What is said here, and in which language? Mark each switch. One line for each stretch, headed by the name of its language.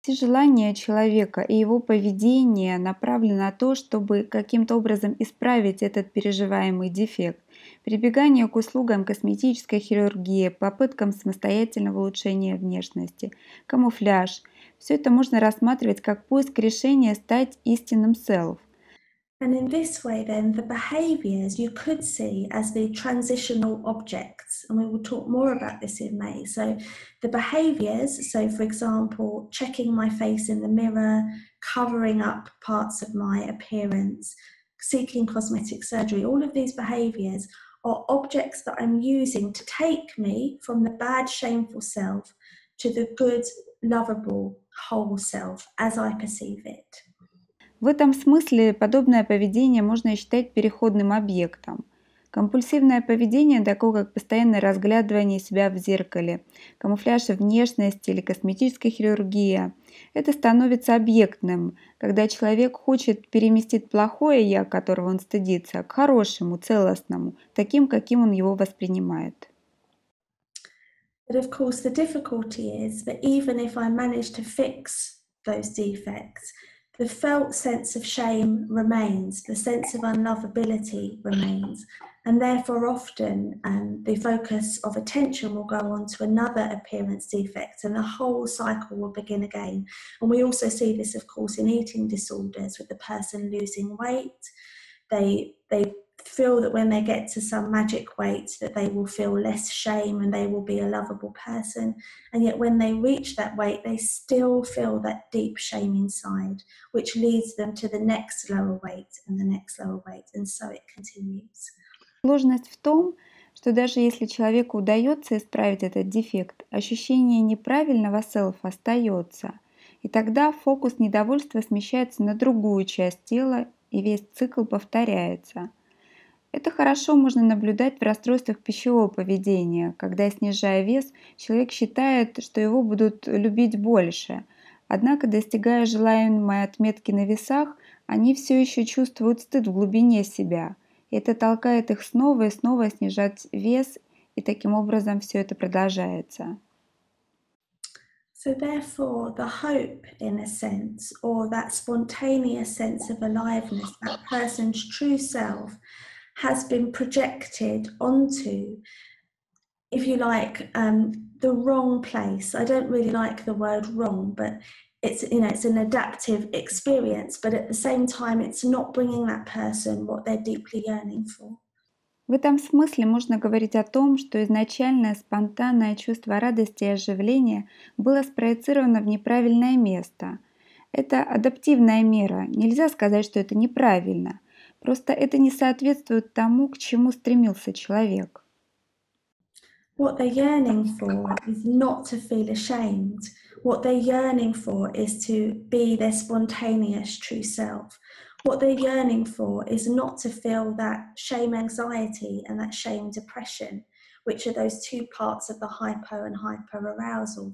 Russian: Желание человека и его поведение направлено на то, чтобы каким-то образом исправить этот переживаемый дефект. Прибегание к услугам косметической хирургии, попыткам самостоятельного улучшения внешности, камуфляж – все это можно рассматривать как поиск решения стать истинным self.
English: And in this way, then, the behaviors you could see as the transitional objects, and we will talk more about this in May. So the behaviors, so for example, checking my face in the mirror, covering up parts of my appearance, seeking cosmetic surgery, all of these behaviors are objects that I'm using to take me from the bad, shameful self to the good, lovable, whole self as I perceive it.
Russian: В этом смысле подобное поведение можно считать переходным объектом. Компульсивное поведение, такое как постоянное разглядывание себя в зеркале, камуфляж внешности или косметическая хирургия, это становится объектным, когда человек хочет переместить плохое «я», которого он стыдится, к хорошему, целостному, таким, каким он его воспринимает.
English: But of course, the difficulty is that even if I manage to fix those defects, the felt sense of shame remains, the sense of unlovability remains, and therefore often the focus of attention will go on to another appearance defect and the whole cycle will begin again. And we also see this, of course, in eating disorders with the person losing weight. They feel that when they get to some magic weight that they will feel less shame and they will be a lovable person. And yet when they reach that weight, they still feel that deep shame inside, which leads them to the next lower weight and the next lower weight. And so it continues.
Russian: Сложность в том, что даже если человеку удается исправить этот дефект, ощущение неправильного self остается. И тогда фокус недовольства смещается на другую часть тела, и весь цикл повторяется. Это хорошо можно наблюдать в расстройствах пищевого поведения, когда, снижая вес, человек считает, что его будут любить больше. Однако, достигая желаемой отметки на весах, они все еще чувствуют стыд в глубине себя. И это толкает их снова и снова снижать вес, и таким образом все это продолжается.
English: So therefore, the hope, in a sense, or that spontaneous sense of aliveness, that person's true self, has been projected onto, if you like, the wrong place. I don't really like the word wrong, but it's, you know, it's an adaptive experience, but at the same time, it's not bringing that person what they're deeply yearning for.
Russian: В этом смысле можно говорить о том, что изначальное спонтанное чувство радости и оживления было спроецировано в неправильное место. Это адаптивная мера. Нельзя сказать, что это неправильно. Просто это не соответствует тому, к чему стремился человек.
English: What they're yearning for is not to feel ashamed. What they're yearning for is to be their spontaneous true self. What they're yearning for is not to feel that shame anxiety and that shame depression, which are those two parts of the hypo and hyper arousal.